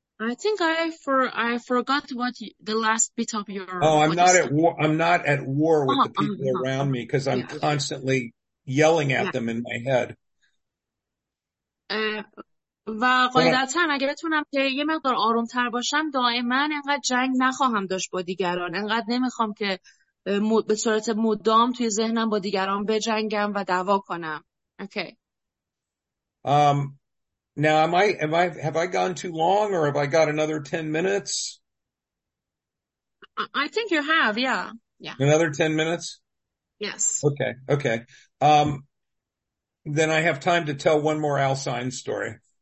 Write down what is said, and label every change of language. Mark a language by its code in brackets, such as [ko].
[en] I think I forgot what the last bit of your. I'm not at war with the people around me because I'm constantly yelling at them in my head. [fa] و قاعدتاً اگه بتونم که یه مقدار آروم‌تر باشم، دائما انقدر جنگ نخواهم داشت با دیگران. انقدر نمیخوام که به صورت مدام توی ذهنم با دیگران بجنگم و دعوا کنم. [en] Okay. Now have I gone too long or have I got another 10 minutes? I think you have. Yeah. Yeah. Another 10 minutes? Yes. Okay. Then I have time to tell one more Al Sein story.